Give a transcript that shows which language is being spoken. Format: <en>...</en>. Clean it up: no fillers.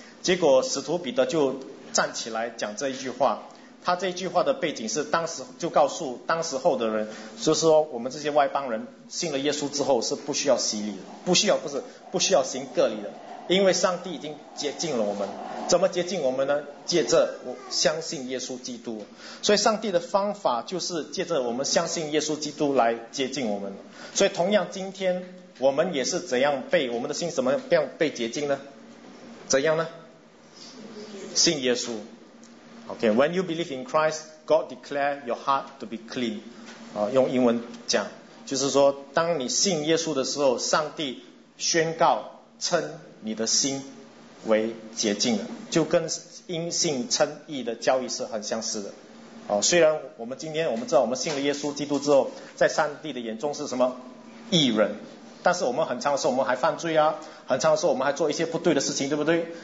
<zh>结果使徒彼得就站起来讲这一句话，他这一句话的背景是当时就告诉当时候的人，就是说我们这些外邦人信了耶稣之后是不需要洗礼的，不需要行割礼的，因为上帝已经洁净了我们。怎么洁净我们呢？借着我相信耶稣基督。所以上帝的方法就是借着我们相信耶稣基督来洁净我们。所以同样今天我们也是怎样被我们的心怎么样被洁净呢？怎样呢？信耶稣。</zh> <en>OK, When you believe in Christ, God declare your heart to be clean.</en> <zh>用英文讲就是说，当你信耶稣的时候，上帝宣告称你的心为洁净的，就跟因信称义的教义是很相似的。虽然我们今天我们知道我们信了耶稣基督之后，在上帝的眼中是什么义人，但是我们很常的时候我们还犯罪啊，很常的时候我们还做一些不对的事情，对不对？</zh>